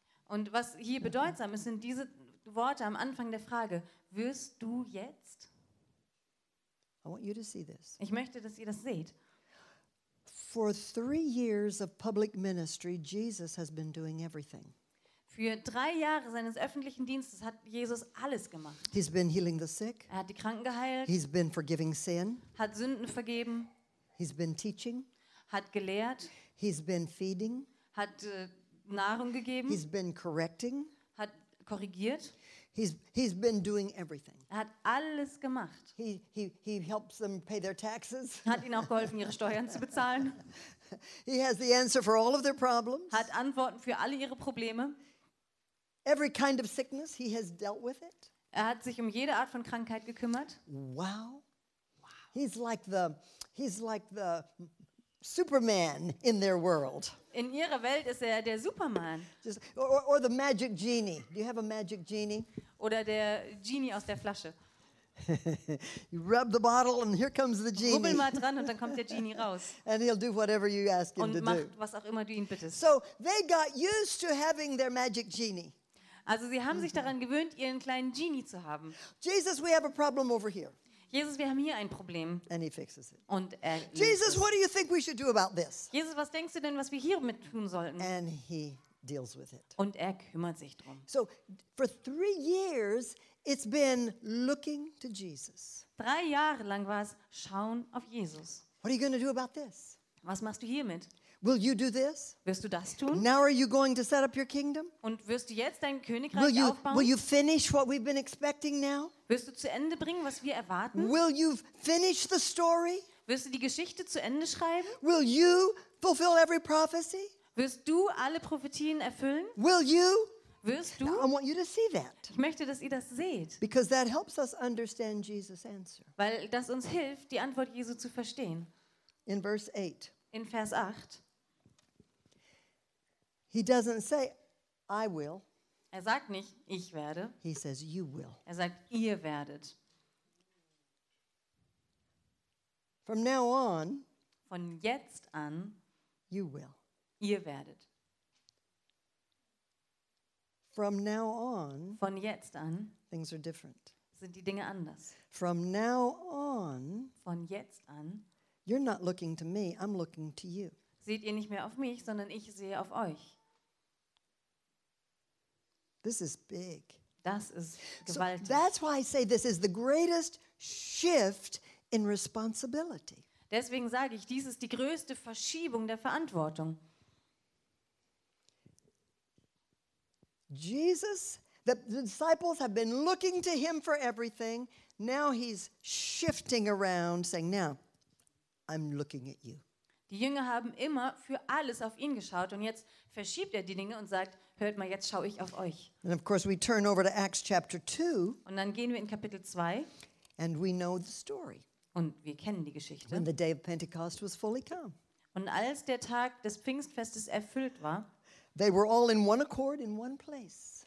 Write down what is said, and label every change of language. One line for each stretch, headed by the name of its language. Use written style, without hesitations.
German: Und was hier bedeutsam ist, sind diese Worte am Anfang der Frage, wirst du jetzt?
English: I want you to see this.
German: Ich möchte, dass ihr das seht.
English: For 3 years of public ministry, Jesus has been doing everything.
German: Für 3 Jahre seines öffentlichen Dienstes hat Jesus alles gemacht.
English: He's been healing the sick.
German: Er hat die Kranken geheilt.
English: He's been forgiving sin.
German: Hat Sünden vergeben.
English: He's been teaching.
German: Hat gelehrt.
English: He's been feeding.
German: Hat Nahrung gegeben.
English: He's been correcting.
German: Hat korrigiert.
English: He's been doing everything.
German: Er hat alles gemacht.
English: He helps them pay their taxes.
German: Hat ihnen auch geholfen, ihre Steuern zu bezahlen.
English: He has the answer for all of their problems.
German: Hat Antworten für alle ihre Probleme.
English: Every kind of sickness, he has dealt with it.
German: Er hat sich um jede Art von Krankheit gekümmert. Wow.
English: He's like the Superman in their world.
German: In ihrer Welt ist er der Superman.
English: Just, or the magic genie. Do you have a magic genie?
German: Oder der Genie aus der Flasche.
English: You rub the bottle and here comes the genie.
German: Rubbel mal dran und dann kommt der Genie raus.
English: And he'll do whatever you ask him
German: und
English: to
German: macht,
English: do.
German: Und macht, was auch immer du ihn bittest.
English: So they got used to having their magic genie.
German: Also sie haben sich daran gewöhnt, ihren kleinen Genie zu haben.
English: Jesus, we have a problem over here.
German: Jesus, wir haben hier ein Problem.
English: And he fixes it.
German: Und er
English: Jesus, what do you think we should do about this?
German: Jesus, was denkst du denn, was wir hier mit tun sollten?
English: And he deals with it.
German: Und er kümmert sich drum.
English: So, for 3 years, it's been looking to Jesus.
German: 3 Jahre lang war es schauen auf Jesus.
English: What are you going to do about this?
German: Was machst du hiermit?
English: Will you do this?
German: Wirst du das tun?
English: Now are you going to set up your kingdom?
German: Und wirst du jetzt dein Königreich aufbauen?
English: Will you finish what we've been expecting now?
German: Wirst du zu Ende bringen, was wir erwarten?
English: Will you finish the story?
German: Wirst du die Geschichte zu Ende schreiben?
English: Will you fulfill every prophecy?
German: Wirst du alle Prophetien erfüllen?
English: Will you?
German: Wirst du?
English: I want you to see that.
German: Ich möchte, dass ihr das seht.
English: Because that helps us understand Jesus' answer.
German: Weil das uns hilft, die Antwort Jesu zu verstehen.
English: In verse 8.
German: In Vers 8.
English: He doesn't say, I will.
German: Er sagt nicht, ich werde.
English: He says, you will.
German: Er sagt, ihr werdet.
English: From now on,
German: von jetzt an,
English: you will.
German: Ihr werdet.
English: From now on,
German: von jetzt an,
English: things are different.
German: Sind die Dinge anders.
English: From now on,
German: von jetzt an,
English: you're not looking to me, I'm looking to you.
German: Seht ihr nicht mehr auf mich, sondern ich sehe auf euch.
English: This is big.
German: Das ist gewaltig.
English: So that's why I say this is the greatest shift in responsibility.
German: Deswegen sage ich, dies ist die größte Verschiebung der Verantwortung.
English: Jesus, the disciples have been looking to him for everything. Now he's shifting around, saying, "Now, I'm looking at you."
German: Die Jünger haben immer für alles auf ihn geschaut und jetzt verschiebt er die Dinge und sagt, hört mal, jetzt schaue ich auf euch.
English: And of course, we turn over to Acts chapter 2.
German: Und dann gehen wir in Kapitel 2.
English: And we know the story.
German: Und wir kennen die Geschichte.
English: When the day of Pentecost was fully come.
German: Und als der Tag des Pfingstfestes erfüllt war,
English: they were all in one accord in one place.